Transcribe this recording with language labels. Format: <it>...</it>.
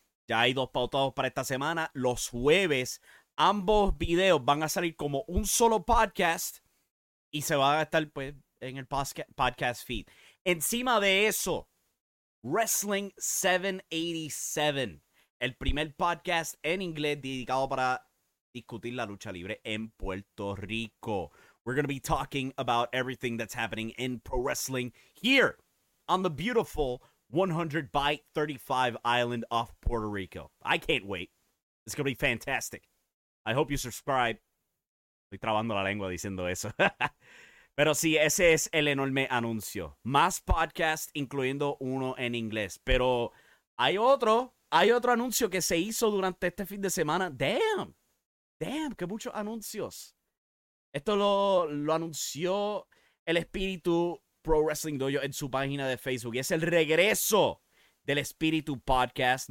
<es>Ya hay dos pautados para esta semana. Los jueves, ambos videos van a salir como un solo podcast y se va a estar pues en el podcast feed. Encima de eso, Wrestling 787, el primer podcast en inglés dedicado para discutir la lucha libre en Puerto Rico.</es> <en>We're going to be talking about everything that's happening in pro wrestling here on the beautiful 100 by 35 island off Puerto Rico. I can't wait. It's going to be fantastic. I hope you subscribe.</en> <es>Estoy trabando la lengua diciendo eso. Pero sí, ese es el enorme anuncio. Más podcasts, incluyendo uno en inglés. Pero hay otro anuncio que se hizo durante este fin de semana. Damn, qué muchos anuncios. Esto lo anunció el Espíritu Pro Wrestling Dojo en su página de Facebook. Y es el regreso del Espíritu Podcast.</es>